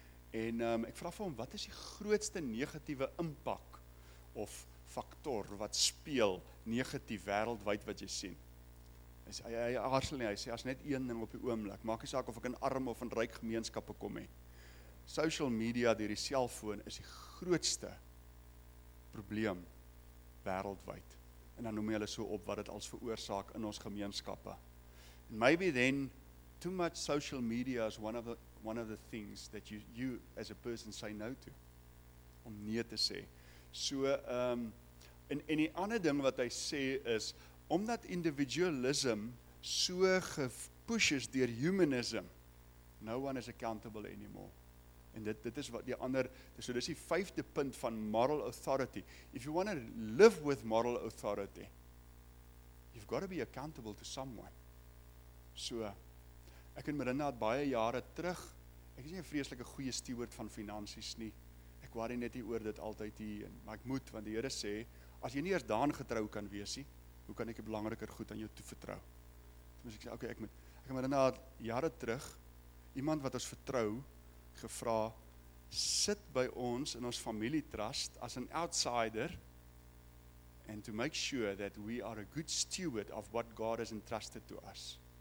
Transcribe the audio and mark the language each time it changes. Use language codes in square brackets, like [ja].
[af] En ek vra vir hom, wat is die grootste negatiewe impak of faktor wat speel negatief wêreldwyd wat jy sien? Hy aarzel nie, hy sê, as net een ding op die oomblik, maak nie saak of ek in arm of in ryk gemeenskappe kom nie. Social media, deur die selfoon, is die grootste probleem wêreldwyd. En dan noem hulle so op wat dit als veroorsaak in ons gemeenskappe. [en] And maybe then, too much social media is one of the things that you as a person say no to. [af] Om nee te sê. So, en die ander ding wat hy sê is, omdat individualism so gepush is deur humanism, [en] no one is accountable anymore. [af] En dit is wat die ander, so dis die vyfde punt van moral authority. [en] If you want to live with moral authority, you've got to be accountable to someone. [af] So, ek en Marina het baie jare terug, ek is nie 'n vreeslike goeie steward van finansies nie, ek worry net hier oor dit altyd hier, maar ek moet, want die Here sê, as jy nie eers daan getrou kan wees nie, hoe kan ek 'n belangriker goed aan jou toevertrou? Toen moes ek sê, okay, ek het Marina jare terug, iemand wat ons vertrou, gevra, sit by ons in ons familietrust [en] as an outsider, and to make sure that we are a good steward of what God has entrusted to us.